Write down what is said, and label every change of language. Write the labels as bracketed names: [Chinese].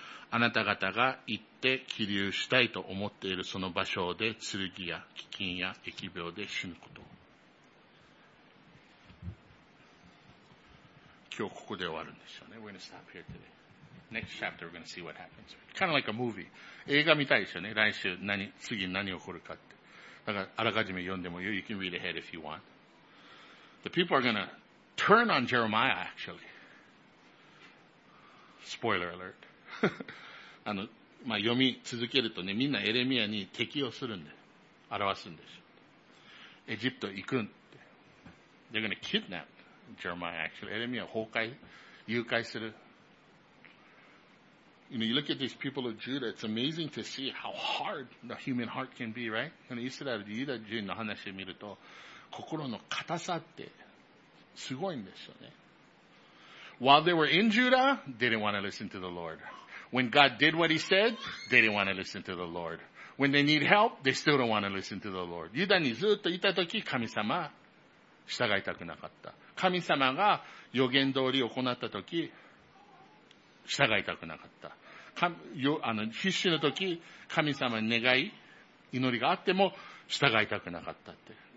[Japanese] あなた方が行って起立したいと思っているその場所で剣や飢饉や疫病で死ぬこと。今日ここで終わるんですよね。 [English] We're gonna stop here today. Next chapter, we're gonna see what happens. Kind of like a movie. [Japanese] 映画見たいですよね。来週何、次何起こるかって。だからあらかじめ読んでもよ。 [English] You can read ahead if you want. The people are gonna turn on Jeremiah, actually. Spoiler alert. [Japanese] まあ、読み続けるとね、みんなエレミアに敵をするんで、表すんでしょ。エジプト行くんって。 [English] They're gonna kidnap Jeremiah, actually. [Japanese] エレミア崩壊、誘拐する。 [English] You know, you look at these people of Judah, it's amazing to see how hard the human heart can be, right? [Japanese] And イスラエル、ユダ人の話を見ると、心の硬さって、すごいんですよね。 [English] While they were in Judah, they didn't want to listen to the Lord. When God did what he said, they didn't want to listen to the Lord. When they need help, they still don't want to listen to the Lord. [Japanese] ユダにずっといたとき、神様、従いたくなかった。神様が予言通り行ったとき、従いたくなかった。必死のとき、神様に願い、祈りがあっても、従いたくなかったって。